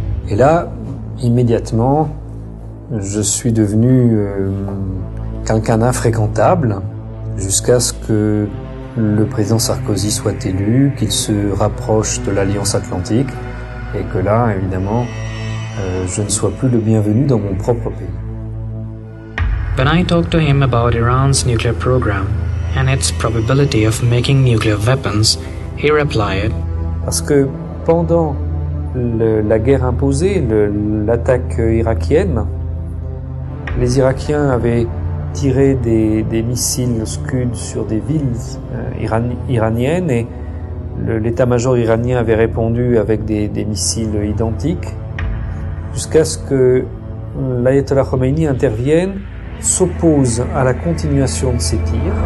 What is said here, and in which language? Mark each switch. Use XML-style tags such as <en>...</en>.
<fr>là, immédiatement, je suis devenu quelqu'un d'infréquentable jusqu'à ce que le président Sarkozy soit élu, qu'il se rapproche de l'Alliance Atlantique et que là, évidemment, je ne sois plus le bienvenu dans mon propre pays.</fr> <en>When I talked to him about Iran's nuclear program and its probability of making nuclear weapons, he replied,</en> <fr>parce que pendant la guerre imposée, l'attaque irakienne, les Irakiens avaient tiré des missiles Scud sur des villes iraniennes et l'état-major iranien avait répondu avec des missiles identiques jusqu'à ce que l'ayatollah Khomeini intervienne, s'oppose à la continuation de ces tirs.</fr>